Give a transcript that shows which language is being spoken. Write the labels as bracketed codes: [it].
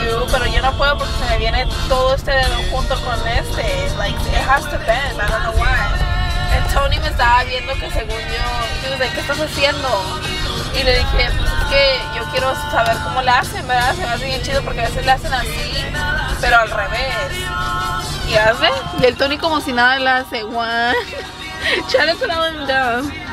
[es] Pero yo no puedo porque se me viene todo este dedo junto con este. [en] Like, it has to bend, I don't know why. [es] And Tony me estaba viendo que según yo, dude, ¿qué estás haciendo? Y le dije, pues es que yo quiero saber cómo le hacen, ¿verdad? Se me hace bien chido porque a veces le hacen así, pero al revés. ¿Y hace? Y el Tony como si nada le hace, what? Chale, [en] put all of them down.